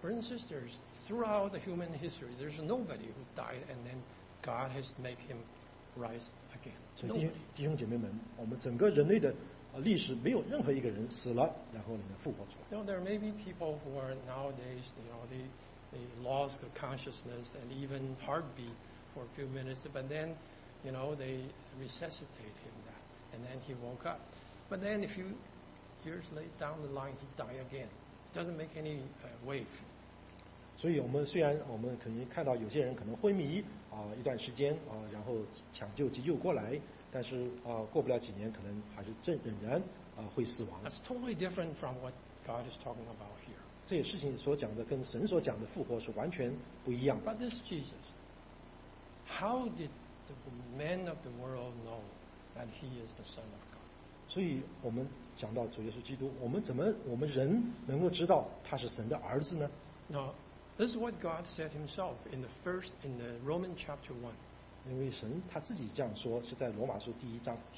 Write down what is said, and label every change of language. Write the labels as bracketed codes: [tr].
[en] Brothers and sisters, throughout the human history, there's nobody who died and then God has made him rise again. [zh] 弟兄姐妹们，我们整个人类的历史没有任何一个人死了然后能复活出来。 [en] You know, there may be people who are nowadays, you know, they lost their consciousness and even heartbeat for a few minutes, but then, you know, they resuscitate him that, and then he woke up. But then a few years later down the line, he died again. It doesn't make any wave. [zh] 所以我们虽然我们可能看到有些人可能昏迷一段时间然后抢救急救过来，但是过不了几年可能还是仍然会死亡。 [en] That's totally different from what God is talking about here. [zh] 这些事情所讲的跟神所讲的复活是完全不一样的。 [en] But this Jesus, how did the man of the world know that he is the Son of God? [zh] 所以我们讲到主耶稣基督，我们怎么我们人能够知道他是神的儿子呢？ [en] Now, this is what God said himself in the first, in the Roman chapter 1. [zh] 因为神他自己这样说，是在罗马书第一章。